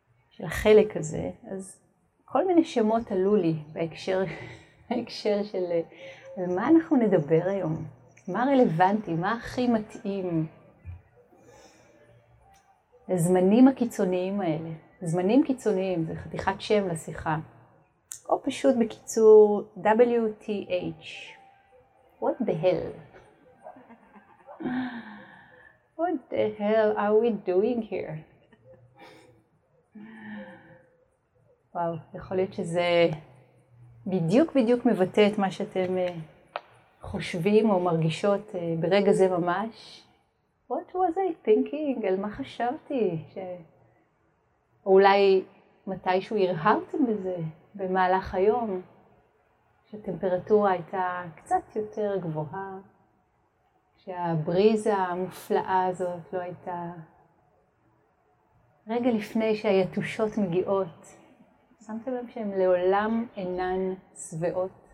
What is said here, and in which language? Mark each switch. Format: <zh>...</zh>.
<he>של החלק הזה, אז כל מיני שמות עלו לי בהקשר, בהקשר של על מה אנחנו נדבר היום. מה רלוונטי? מה הכי מתאים לזמנים הקיצוניים האלה? זמנים קיצוניים, זה חתיכת שם לשיחה. או פשוט בקיצור, WTH.</he> <en>What the hell? What the hell are we doing here?</en> <he>וואו, יכול להיות שזה בדיוק בדיוק מבטא את מה שאתם... חושבים או מרגישות ברגע זה ממש,</he> <en>what was I thinking?</en> <he>על מה חשבתי? אולי מתישהו הרהרתם בזה במהלך היום, שהטמפרטורה הייתה קצת יותר גבוהה, שהבריזה המופלאה הזאת לא הייתה, רגע לפני שהיתושות מגיעות, שמתם לב שהן לעולם אינן שבעות.</he>